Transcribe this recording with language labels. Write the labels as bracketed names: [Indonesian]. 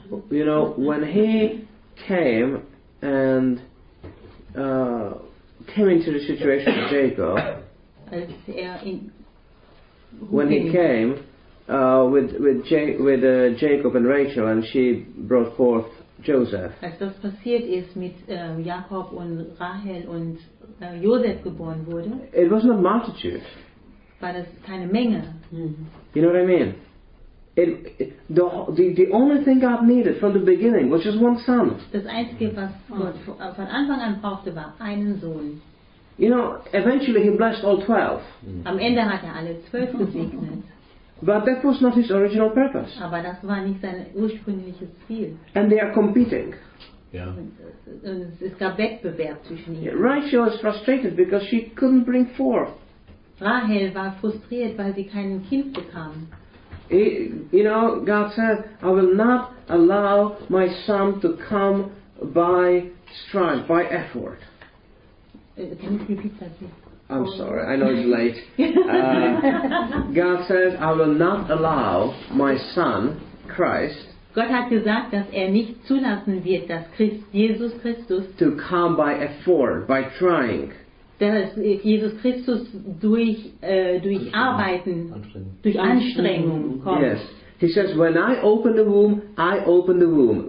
[English] You know, when he came and came into the situation of Jacob, [German] als er in [English] when he came with Jacob and Rachel, and she brought forth Joseph. [German] Als das passiert ist mit Jakob und Rahel und Josef geboren wurde. [English] It was not multitude. [German] War das keine Menge. [English] You know what I mean? The only thing God needed from the beginning was just one son. [German] Das einzige, was Gott von Anfang an brauchte, war einen Sohn. [English] You know, eventually he blessed all 12. [German] Am Ende hat er alle 12 gesegnet. [English] But that was not his original purpose. [German] Aber das war nicht sein ursprüngliches Ziel. [English] And they are competing. Yeah. [German] Es gab Wettbewerb zwischen ihnen. [English] Rachel is frustrated because she couldn't bring forth. [German] Rahel war frustriert, weil sie kein Kind bekam. [English] You know, God said, I will not allow my son to come by strength, by effort. Can you repeat that, please? I'm sorry, I know it's late. God says, I will not allow my son, Christ, [German] Gott hat gesagt, dass er nicht zulassen wird, dass Jesus Christus [English] to come by effort, by trying. [German] Dass Jesus Christus durch Arbeiten, durch Anstrengung kommt. [English] Yes. He says, when I open the womb, I open the womb.